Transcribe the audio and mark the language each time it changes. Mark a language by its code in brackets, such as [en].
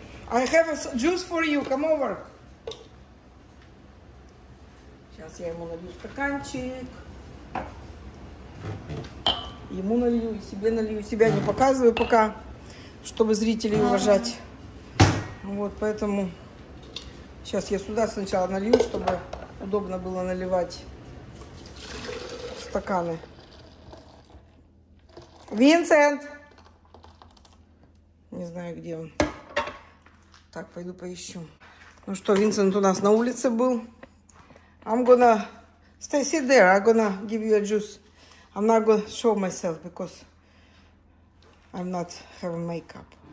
[en] I have a juice for you, come over. [ru] Сейчас я ему налью стаканчик. Ему налью, себе налью. Себя не показываю пока, чтобы зрителей уважать. Вот, поэтому сейчас я сюда сначала налью, чтобы удобно было наливать стаканы. Винсент! Не знаю, где он. Так, пойду поищу. Ну что, Винсент у нас на улице был. [en] I'm gonna stay sit there. I'm gonna give you a juice. I'm not gonna show myself because I'm not having makeup.